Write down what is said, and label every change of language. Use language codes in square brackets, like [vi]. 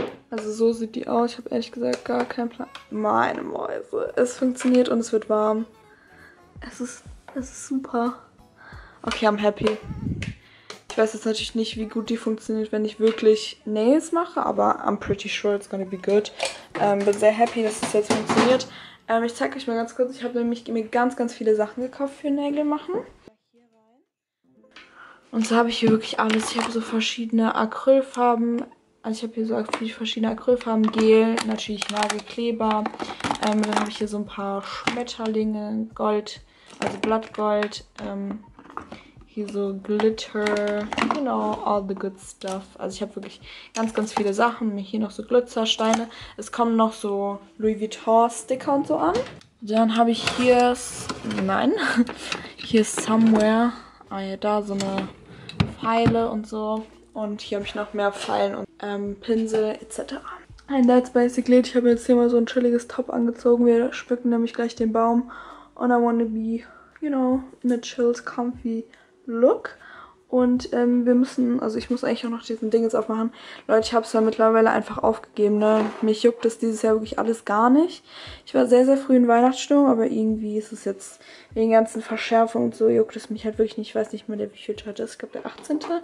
[de] Also so sieht die aus. Ich habe ehrlich gesagt gar keinen Plan. Meine Mäuse. Es funktioniert und es wird warm. Es ist super. [en] Okay, I'm happy. [de] Ich weiß jetzt natürlich nicht, wie gut die funktioniert, wenn ich wirklich Nails mache. Aber [en] I'm pretty sure it's gonna be good. [de] Bin sehr happy, dass es jetzt funktioniert. Ich zeige euch mal ganz kurz. Ich habe nämlich mir ganz, ganz viele Sachen gekauft für Nägel machen. Und so habe ich hier wirklich alles. Ich habe so verschiedene Acrylfarben. Also ich habe hier so viele verschiedene Acrylfarben, Gel, natürlich Nagelkleber. Dann habe ich hier so ein paar Schmetterlinge, Gold, also Blattgold. Hier so Glitter, [en] you know, all the good stuff. [de] Also ich habe wirklich ganz, ganz viele Sachen. Hier noch so Glitzersteine. Es kommen noch so Louis Vuitton Sticker und so an. Dann habe ich hier, nein, hier ist Somewhere. Ah ja, da so eine Pfeile und so. Und hier habe ich noch mehr Pfeilen und Pinsel etc. [en] And that's basically it. [de] Ich habe jetzt hier mal so ein chilliges Top angezogen. Wir schmücken nämlich gleich den Baum. [en] And I want to be, you know, in a chilled, comfy look. [de] Und wir müssen, also ich muss eigentlich auch noch diesen Ding jetzt aufmachen. Leute, ich habe es ja mittlerweile einfach aufgegeben, ne? Mich juckt das dieses Jahr wirklich alles gar nicht. Ich war sehr, sehr früh in Weihnachtsstimmung, aber irgendwie ist es jetzt wegen ganzen Verschärfungen und so, juckt es mich halt wirklich nicht. Ich weiß nicht mehr, wie viel heute ist. Ich glaube, der 18.